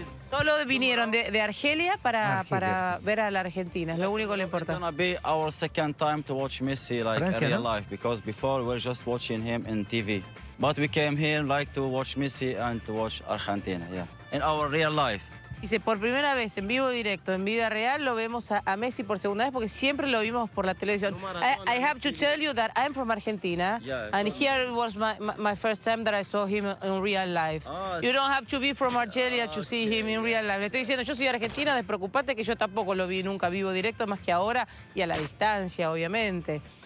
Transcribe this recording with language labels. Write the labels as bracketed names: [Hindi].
[Spanish] Solo vinieron de Argelia para ver a la Argentina. Es lo único que le importa. [English] It's gonna be our second time to watch Messi like in real life because before we're just watching him in TV. But we came here like to watch Messi and to watch Argentina, yeah. In our real life. [Spanish] Dice, por primera vez, en vivo directo, en vida real, lo vemos a Messi por segunda vez porque siempre lo vimos por la televisión. [English] I have to tell you that I'm from Argentina, yeah, and here it was my first time that I saw him in real life. Oh, you don't have to be from Argelia to see him in real life. [Spanish] Le estoy diciendo, yo soy argentina, despreocupate que yo tampoco lo vi nunca vivo directo, más que ahora y a la distancia, obviamente.